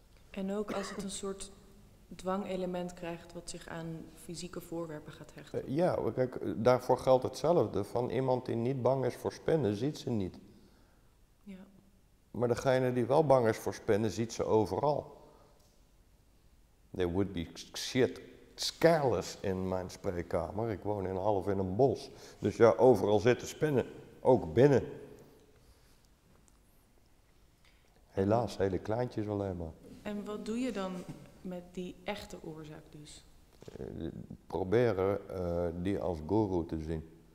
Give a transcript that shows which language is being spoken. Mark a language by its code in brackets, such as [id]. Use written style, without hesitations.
[nl] En ook als het een soort dwangelement krijgt wat zich aan fysieke voorwerpen gaat hechten. Ja, kijk, daarvoor geldt hetzelfde. Van iemand die niet bang is voor spinnen, ziet ze niet. Ja. Maar degene die wel bang is voor spinnen, ziet ze overal. [en] They would be shit scareless [nl] in mijn spreekkamer. Ik woon in half in een bos. Dus ja, overal zitten spinnen. Ook binnen. Helaas, hele kleintjes alleen maar. En wat doe je dan met die echte oorzaak dus? Proberen die als guru te zien.